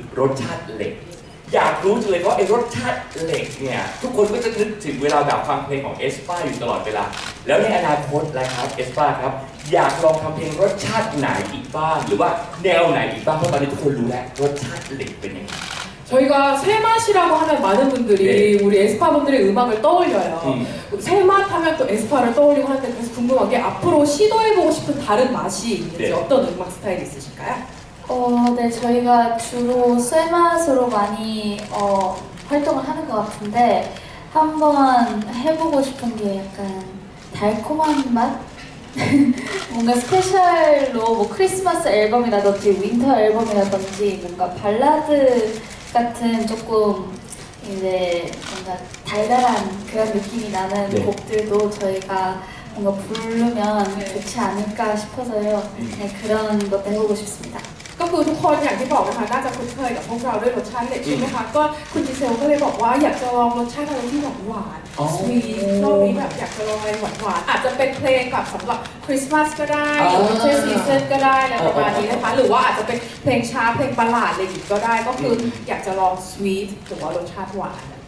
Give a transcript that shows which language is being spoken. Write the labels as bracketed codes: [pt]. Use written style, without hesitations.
[th] สชาติเหล็กอยากรู้จังเลยว่าไอ้รสชาติเหล็กเนี่ยทุกคนก็จะนึกถึงเวลาแบบฟังเพลงของเอสป้าอยู่ตลอดเวลาแล้วในอนาคตอะไรครับเอสป้าครับอยากลองทำเพลงรสชาติไหนอีกบ้างหรือว่าแนวไหนอีกบ้างเพราะตอนนี้ทุกคนรู้แล้วรสชาติเหล็กเป็นยังไง [ko] 저희가 새맛이라고 하면 많은 분들이 네. 우리 에스파분들의 음악을 떠올려요. 새맛 하면 또 에스파를 떠올리고 하는데 그래서 궁금한 게 앞으로 시도해보고 싶은 다른 맛이 있는지 네. 어떤 음악 스타일이 있으실까요? 네, 저희가 주로 새맛으로 많이 활동을 하는 것 같은데 한번 해보고 싶은 게 약간 달콤한 맛? 뭔가 스페셜로 뭐 크리스마스 앨범이라든지 윈터 앨범이라든지 뭔가 발라드 같은 조금 이제 뭔가 달달한 그런 느낌이 나는 네. 곡들도 저희가 뭔가 부르면 좋지 않을까 싶어서요. 네, 그런 것도 해보고 싶습니다. [th] ก็คือทุกคนอย่างที่บอกนะคะน่าจะคุ้นเคยกับพวกเราด้วยรสชาติเล็กใช่ไหมคะก็คุณดิเซลก็เลยบอกว่าอยากจะลองรสชาติอะไรที่แบบหวานสวีทก็มีแบบอยากจะลองอะไรหวานๆอาจจะเป็นเพลงกับสำหรับคริสต์มาสก็ได้ซีซันก็ได้นะคะนี้นะคะหรือว่าอาจจะเป็นเพลงช้าเพลงประหลาดอะไรอย่างนี้ก็ได้ก็คืออยากจะลองสวีทหรือว่ารสชาติหวาน